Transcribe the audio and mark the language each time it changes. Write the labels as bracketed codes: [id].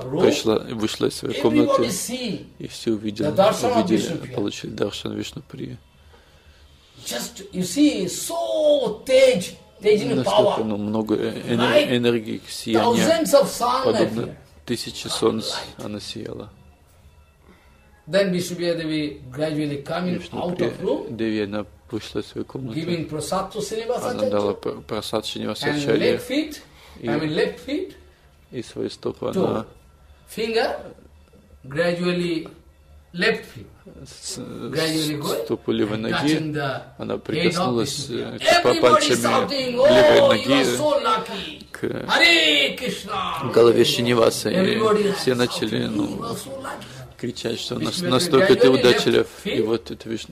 [ru] пришла, вышла из своей комнаты и все увидели, получили даршан Вишнуприя. [en] Just you see, so tej, tejin power. [ru] Настолько, ну, много энергии, сияния. [en] Thousands of sun, [ru] подобно тысячи солнц, она сияла. [en] Then Vishnupriya Devi gradually coming out of room. [ru] Деви она вышла из своей комнаты. [en] Giving prasad to Shrinivasacharya. [ru] Она дала просад Шринивасачарье. [en] And leg feet, leg feet. [ru] И свои стопы она. [en] Finger, gradually left feet. [ru] Ступу левой ноги, она прикоснулась к пальцами левой ноги к голове Шринивасы, и все начали, ну, кричать, что настолько ты удачлив, и вот это